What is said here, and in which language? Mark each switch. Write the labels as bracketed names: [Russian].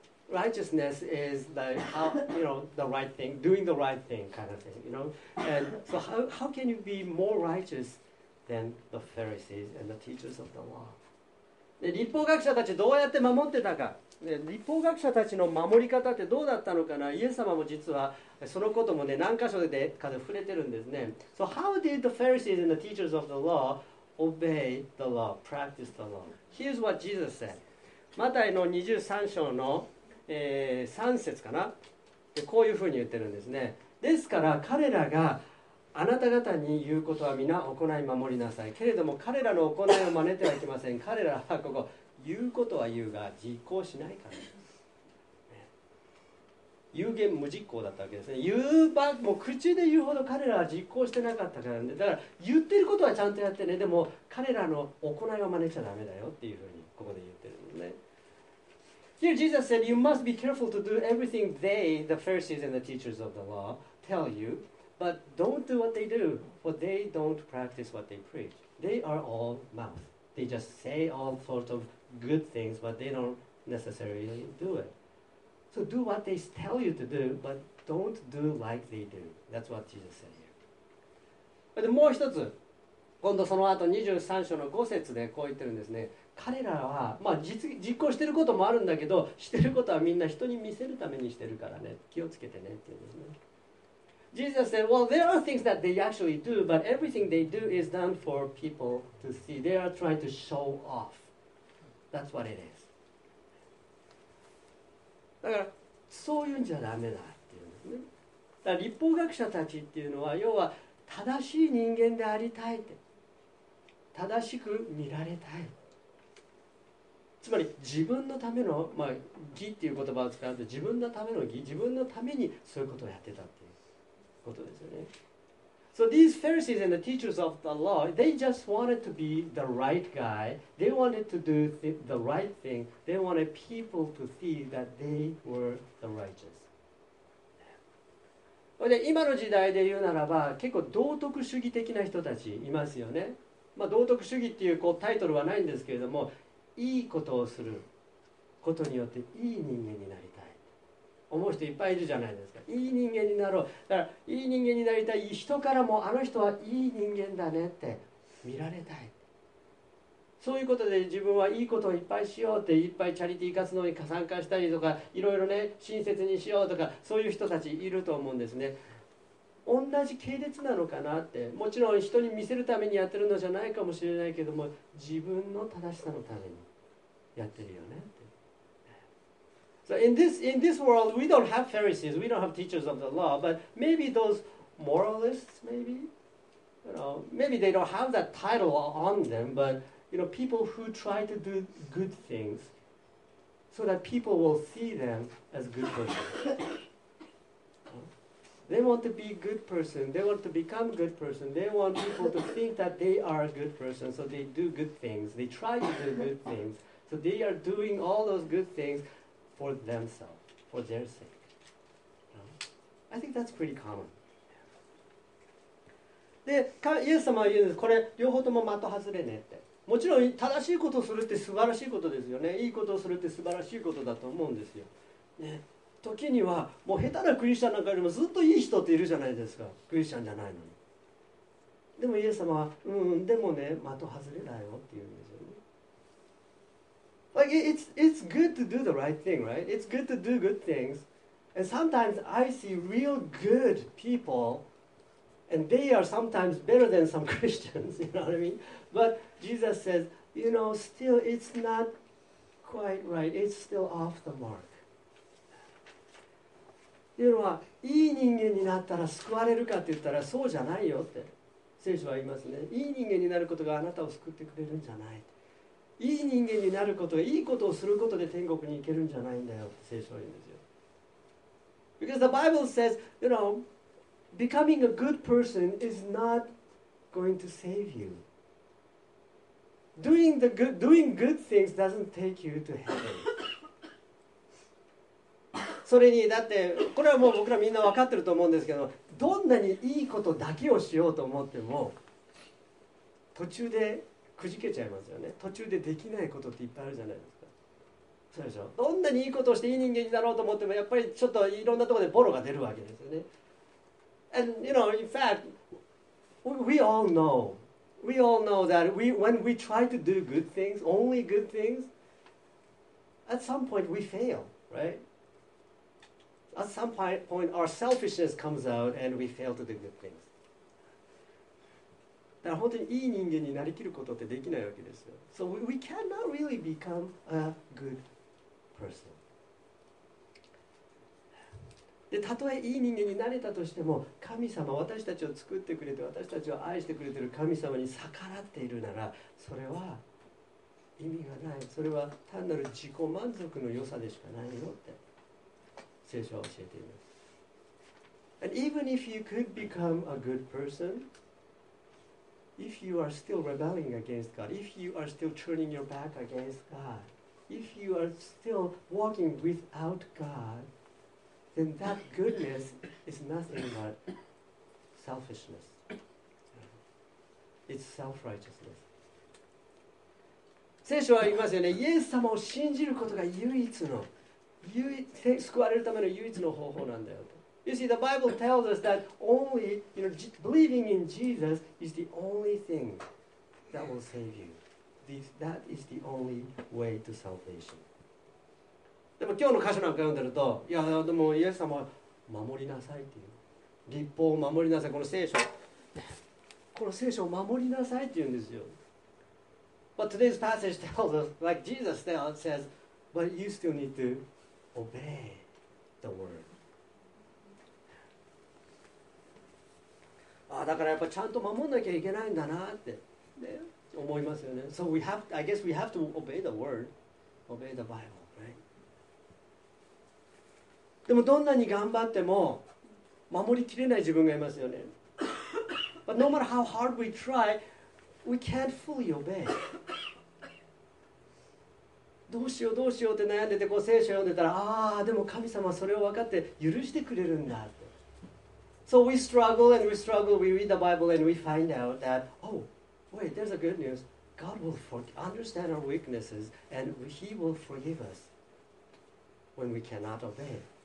[English] Righteousness is the, how, you know, the right thing, doing the right thing kind of thing, you know? And so how can you be more righteous than the Pharisees and the teachers of the law? [Japanese] で、立法学者たちどうやって守ってたか。で、立法学者たちの守り方ってどうだったのかな。イエス様も実はそのこともね、何箇所でかで触れてるんですね。 [English] So how did the Pharisees and the teachers of the law obey the law, practice the law? Here's what Jesus said. [Japanese] マタイの23章の、3節かな。で、こういうふうに言ってるんですね。ですから彼らがあなた方に言うことは皆行い守りなさい。けれども彼らの行いを真似てはいけません。彼らはここ、言うことは言うが実行しないからです。有言無実行だったわけですね。言うば、もう口で言うほど彼らは実行してなかったからね。だから言ってることはちゃんとやってね。でも彼らの行いを真似ちゃダメだよっていうふうにここで言ってるのね。 [English] Here Jesus said, you must be careful to do everything they, the Pharisees and the teachers of the law, tell you. But don't do what they do, for they don't practice what they preach. They are all mouth. They just say all sorts of good things, but they don't necessarily do it. So do what they tell you to do, but don't do like they do. That's what Jesus said here. [Japanese] でもう一つ、今度その後23章の5節でこう言ってるんですね。彼らは、まあ、実行してることもあるんだけど、してることはみんな人に見せるためにしてるからね。気をつけてねって言うんですね。 [English] Jesus said, well, there are things that they actually do, but everything they do is done for people to see. They are trying to show off. That's what it is. [Japanese] だから、そういうんじゃダメだっていうんですね。だから、立法学者たちっていうのは、要は正しい人間でありたいって。正しく見られたい。つまり自分のための、まあ、義っていう言葉を使うと、自分のための義、自分のためにそういうことをやってたっていう。 [English] So these Pharisees and the teachers of the law, they just wanted to be the right guy. They wanted to do the right thing. They wanted people to see that they were the righteous. [Japanese] で、今の時代で言うならば、結構道徳主義的な人たちいますよね。まあ、道徳主義っていう、こうタイトルはないんですけれども、いいことをすることによっていい人間になりたい。思う人いっぱいいるじゃないですか。いい人間になろう。だからいい人間になりたい人からも、あの人はいい人間だねって見られたい。そういうことで自分はいいことをいっぱいしようって、いっぱいチャリティー活動に参加したりとか、いろいろね、親切にしようとか、そういう人たちいると思うんですね。同じ系列なのかなって、もちろん人に見せるためにやってるのじゃないかもしれないけども、自分の正しさのためにやってるよね。 [English] So in this world, we don't have Pharisees, we don't have teachers of the law, but maybe those moralists, maybe, you know, maybe they don't have that title on them, but, you know, people who try to do good things so that people will see them as good persons. They want to be good person, they want to become good person, they want people to think that they are a good person, so they do good things, they try to do good things, so they are doing all those good things,for themselves, for their sake. I think that's pretty common. [Japanese] で、イエス様は言うんです。これ両方とも的外れねって。もちろん正しいことをするって素晴らしいことですよね。いいことをするって素晴らしいことだと思うんですよ。ね、時にはもう下手なクリスチャンなんかよりもずっといい人っているじゃないですか、クリスチャンじゃないのに。でもイエス様は、でもね、的外れだよって言うんですよね。 [English] Like, it's good to do the right thing, right? It's good to do good things. And sometimes I see real good people, and they are sometimes better than some Christians, you know what I mean? But Jesus says, you know, still it's not quite right. It's still off the mark. [Japanese] というのは、いい人間になったら救われるかって言ったらそうじゃないよって。聖書は言いますね。いい人間になることがあなたを救ってくれるんじゃない。いい人間になること、いいことをすることで天国に行けるんじゃないんだよ。聖書は言うんですよ。 [English] Because the Bible says, you know, becoming a good person is not going to save you. Doing good things doesn't take you to heaven. [Japanese] それにだってこれはもう僕らみんな分かってると思うんですけど、どんなにいいことだけをしようと思っても途中でくじけちゃいますよね。途中でできないことっていっぱいあるじゃないですか。そうでしょ。どんなにいいことをしていい人間になろうと思ってもやっぱりちょっといろんなところでボロが出るわけですよね。 [English] And you know, in fact, we all know that when we try to do good things, only good things, at some point we fail, right? At some point, our selfishness comes out and we fail to do good things. [Japanese] だから本当にいい人間になりきることってできないわけですよ。 [English] So we cannot really become a good person. [Japanese] で、たとえいい人間になれたとしても、神様、私たちを作ってくれて、私たちを愛してくれている神様に逆らっているなら、それは意味がない。それは単なる自己満足の良さでしかないよって。聖書は教えています。 [English] And even if you could become a good person, if you are still rebelling against God, if you are still turning your back against God, if you are still walking without God, then that goodness is nothing but selfishness. It's self-righteousness. [Japanese] 聖書は言いますよね。イエス様を信じることが唯一の救われるための唯一の方法なんだよと。 [English] You see, the Bible tells us that only, you know, believing in Jesus is the only thing that will save you. That is the only way to salvation. [Japanese] でも今日の箇所なんか読んでると、いやでもイエス様は守りなさいっていう。律法を守りなさい、この聖書を守りなさいって言うんですよ。 [English] But today's passage tells us, like Jesus tells, says, but you still need to. Obey the word. [Japanese] ああ、だからやっぱちゃんと守んなきゃいけないんだなって、ね、思いますよね。 [English] So we have, I guess we have to obey the word, obey the Bible, right? [Japanese] でもどんなに頑張っても守りきれない自分がいますよね。 [English] But no matter how hard we try, we can't fully obey. [Japanese] どうしようって悩んでてこう聖書読んでたら、ああでも神様はそれを分かって許してくれるんだって。 [English] So we struggle and we struggle, we read the Bible and we find out that, oh, wait, there's a good news. God will understand our weaknesses and He will forgive us when we cannot obey.